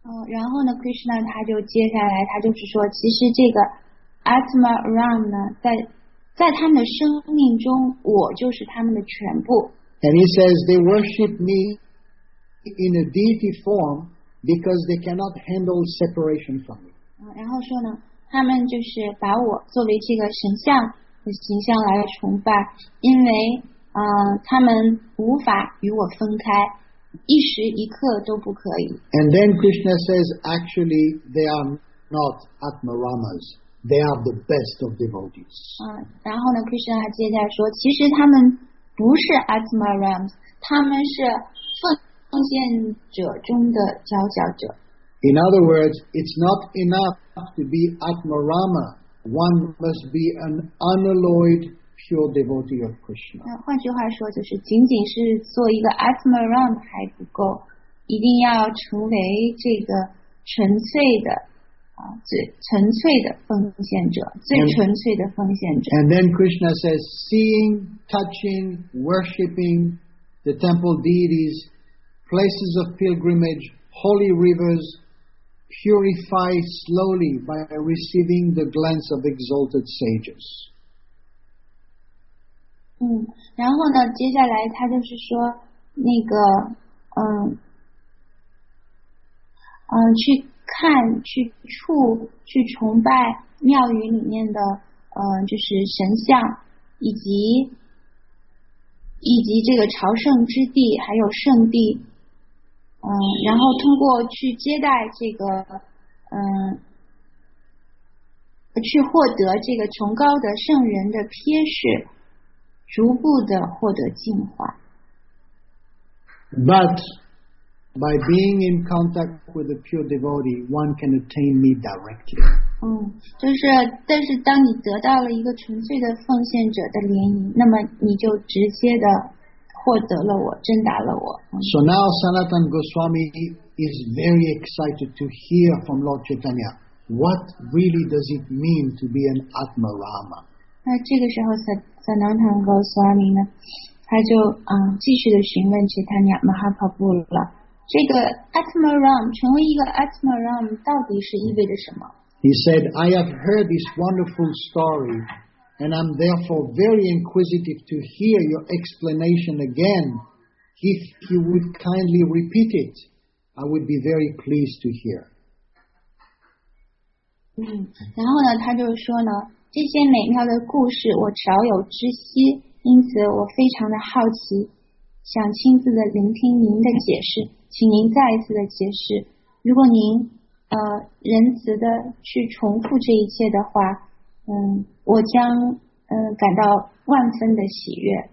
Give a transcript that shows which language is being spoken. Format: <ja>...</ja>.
<zh>然后呢 ，Krishna 他就接下来他就是说，其实这个 Atma Ram 呢，在他们的生命中，我就是他们的全部。</zh> <en>And he says they worship me in a deity form because they cannot handle separation from me.</en> <zh>然后说呢，他们就是把我作为这个神像的形象来崇拜，因为。他们无法与我分开，一时一刻都不可以。</zh> <en>And then Krishna says, actually, they are not Atmaramas. They are the best of devotees.</en> <zh>然后呢 ，Krishna 还接下来说，其实他们不是 Atmaramas， 他们是奉献者中的佼佼者。</zh> <en>In other words, it's not enough to be Atmarama. One must be an unalloyed. Pure devotee of Krishna.</en> <zh>换句话说，就是仅仅是做一个 Atmaram 还不够，一定要成为这个纯粹的啊，最纯粹的奉献者，最纯粹的奉献者。</zh> <en>And then Krishna says, seeing, touching, worshipping the temple deities, places of pilgrimage, holy rivers, purify slowly by receiving the glance of exalted sages.</en> <zh>然后呢接下来他就是说那个去看去触去崇拜庙宇里面的就是神像以及这个朝圣之地还有圣地然后通过去接待这个去获得这个崇高的圣人的瞥视逐步的获得进化。</zh> <en>But by being in contact with a pure devotee, one can attain me directly.</en> <zh>但是当你得到了一个纯粹的奉献者的联姻，那么你就直接的获得了我，真达了我。</zh> <en>So now Sanatan Goswami is very excited to hear from Lord Chaitanya what really does it mean to be an Atmarama.</en> <zh>那这个时候Sanatana Goswami 呢，他就继续的询问其他两马哈帕布了。这个 Atmaram 成为一个 Atmaram 到底是意味着什么</zh> <en>？He said, "I have heard this wonderful story, and I'm therefore very inquisitive to hear your explanation again. If you would kindly repeat it, I would be very pleased to hear."</en> <zh>然后呢，他就说呢。这些美妙的故事我少有知悉因此我非常的好奇想亲自的聆听您的解释请您再一次的解释如果您仁慈的去重复这一切的话我将感到万分的喜悦</zh>